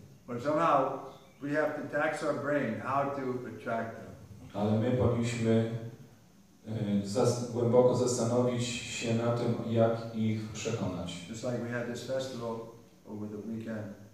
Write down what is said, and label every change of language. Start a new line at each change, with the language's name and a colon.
English: But somehow we have to tax our brain how to attract them.
Polish: Ale my powinniśmy głęboko zastanowić się na tym, jak ich przekonać.
English: Just like we had this festival over the weekend.